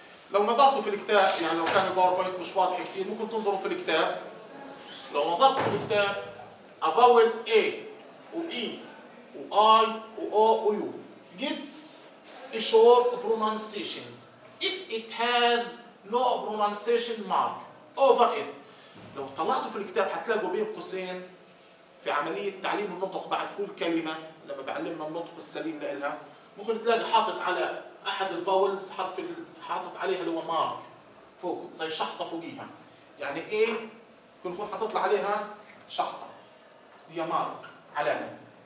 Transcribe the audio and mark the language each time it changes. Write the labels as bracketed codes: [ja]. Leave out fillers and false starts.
[ar] لو نظرتوا في الكتاب، يعني لو كان الباوربوينت مش واضح كثير ممكن تنظروا في الكتاب. لو نظرتوا في الكتاب أفاول [en] A و E و I و O و U get a short pronunciation if it has no pronunciation mark over it. [ar] لو طلعتوا في الكتاب هتلاقوا بين قوسين في عملية تعليم النطق بعد كل كلمة، لما بعلمنا النطق السليم لإلها ممكن تلاقي حاطط على احد الفاولز حرف حاطط عليها اللي هو مارك فوق زي شحطه فوقيها، يعني ايه؟ كل فوق حاطط عليها شحطه هي مارك علامه.